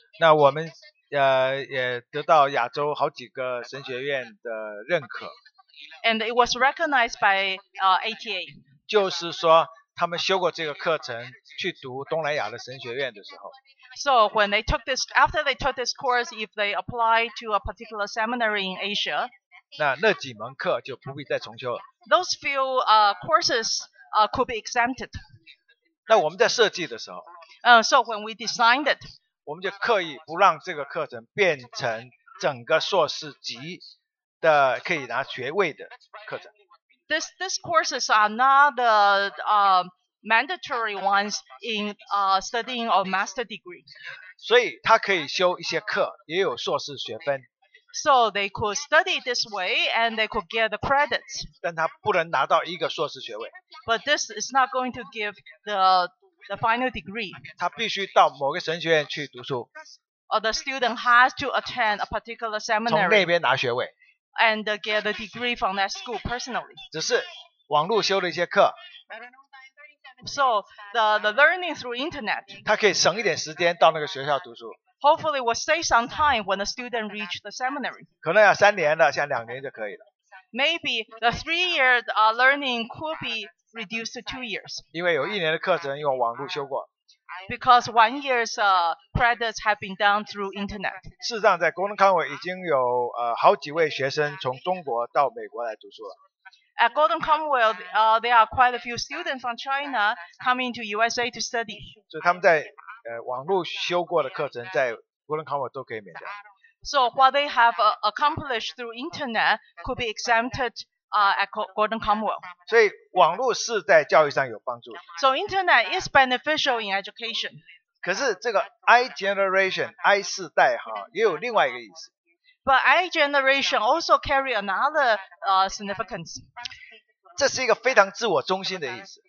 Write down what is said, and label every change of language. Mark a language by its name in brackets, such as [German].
[Chinese] 那我们也得到亚洲好几个神学院的认可。 [English] And it was recognized by ATA. [Chinese] 就是说他们修过这个课程去读东南亚的神学院的时候。 [English] So when they took this, after they took this course, if they apply to a particular seminary in Asia, [Chinese] 那几门课就不必再重修了。 [English] Those few courses could be exempted. [Chinese] 那我们在设计的时候。 [English] So when we designed it, [Chinese] 我们就刻意不让这个课程变成整个硕士级的可以拿学位的课程。 [English] These courses are not the mandatory ones in studying a master degree. [Chinese] 所以他可以修一些课，也有硕士学分。 [English] So they could study this way and they could get the credits. [Chinese] 但他不能拿到一个硕士学位。 [English] But this is not going to give the final degree. [Chinese] 他必须到某个神学院去读书。 [English] Or the student has to attend a particular seminary. [Chinese] 从那边拿学位。 [English] And get a degree from that school personally. [Chinese] 只是网路修了一些课。 [English] So the learning through internet. [Chinese] 他可以省一点时间到那个学校读书。 [English] Hopefully, will save some time when the student reach the seminary. [Chinese] 可能要三年的，像两年就可以了。 [English] Maybe the 3 year learning could be reduced to 2 years. [Chinese] 因为有一年的课程用网路修过。 [English] Because 1 year's credits have been done through internet. [Chinese] 事实上，在 Golden Conway 已经有好几位学生从中国到美国来读书了。 [English] At Golden Commonwealth, there are quite a few students from China coming to USA to study. [Chinese] 所以他们在网路修过的课程在 Golden Commonwealth 都可以免掉。 [English] So what they have accomplished through internet could be exempted at Golden Commonwealth. [Chinese] 所以网路是在教育上有帮助。 [English] So internet is beneficial in education. [Chinese] 可是这个 I generation, I 世代哈，也有另外一个意思。 [English] But I generation also carry another significance. [Chinese] 这是一个非常自我中心的意思。